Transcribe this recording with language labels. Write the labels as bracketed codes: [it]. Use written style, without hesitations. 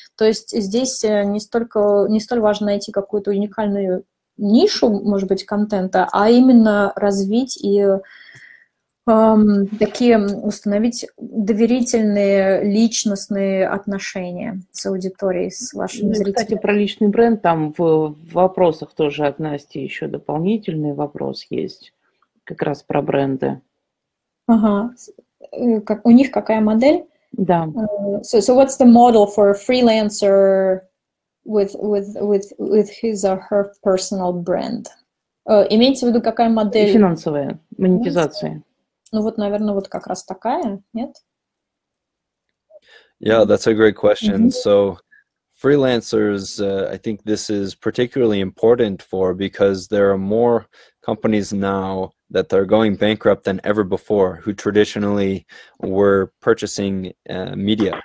[ru] То есть здесь не столь важно найти какую-то уникальную нишу, может быть, контента, а именно развить и такие установить доверительные личностные отношения с аудиторией, с вашими зрителями. Кстати, про личный бренд, там в вопросах тоже от Насти еще дополнительный вопрос есть, как раз про бренды. Ага. Как, у них какая модель? Да. [en] So what's the model for a freelancer with his or her personal brand? [ru] Имеется в виду, какая модель? Финансовая, монетизация. Ну вот, наверное, вот как раз такая, нет? [en] Yeah, that's a great question. Mm-hmm. So freelancers, I think this is particularly important for, because there are more companies now that they're going bankrupt than ever before, who traditionally were purchasing media.